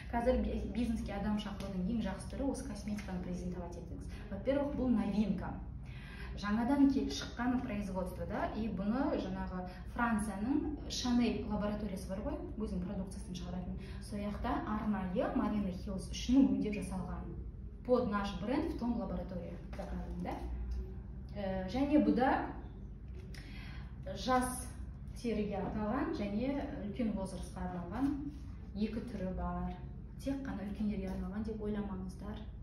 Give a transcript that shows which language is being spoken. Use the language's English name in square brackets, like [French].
[Kazakh] Қазір бизнеске адам шақырудың ең жақсы түрі осы косметиканы презентовать етіңіз. [Russian] Во-первых, [Kazakh] бұл новинка. Жаңадан келіп шыққан производствода, и бұны жаңағы Францияның Шанель лабораториясы бар ғой, өзінің продукциясын шығаратын. Сояқта арнайы Марина Хиллс үшін өңдеп жасалған. [Russian] Под наш бренд в том лаборатория заказан, да? [Kazakh] Және бұда жас теріге арналған, және үлкен возрастқа арналған екі түрі бар. Тек қана үлкендерге арналған деп ойламаңыздар.